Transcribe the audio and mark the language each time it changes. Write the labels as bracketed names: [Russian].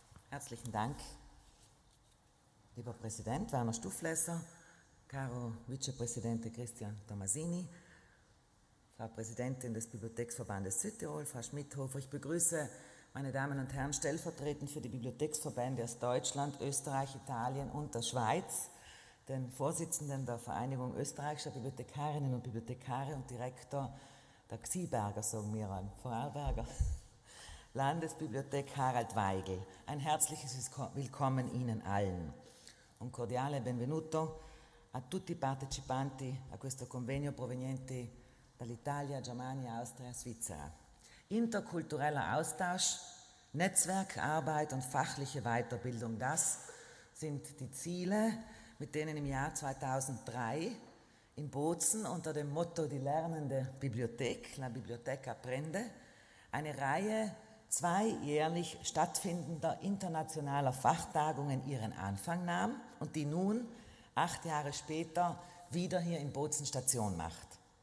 [German] Herzlichen Dank, lieber Präsident Werner Stufleser, caro Vizepräsidente Christian Tomasini, Frau Präsidentin des Bibliotheksverbandes Südtirol, Frau Schmidhofer, ich begrüße meine Damen und Herren stellvertretend für die Bibliotheksverbände aus Deutschland, Österreich, Italien und der Schweiz, den Vorsitzenden der Vereinigung österreichischer Bibliothekarinnen und Bibliothekare und Direktor der Xieberger, sagen wir an, Vorarlberger Landesbibliothek, Harald Weigel. Ein herzliches Willkommen Ihnen allen. [Italian] Un cordiale benvenuto a tutti i partecipanti a questo convegno provenienti dall'Italia, Germania, Austria, Svizzera. [German] Interkultureller Austausch, Netzwerkarbeit und fachliche Weiterbildung, das sind die Ziele, mit denen im Jahr 2003 in Bozen unter dem Motto die lernende Bibliothek, la biblioteca aprende, eine Reihe zweijährlich stattfindender internationaler Fachtagungen ihren Anfang nahm und die nun, 8 Jahre später, wieder hier in Bozen Station macht.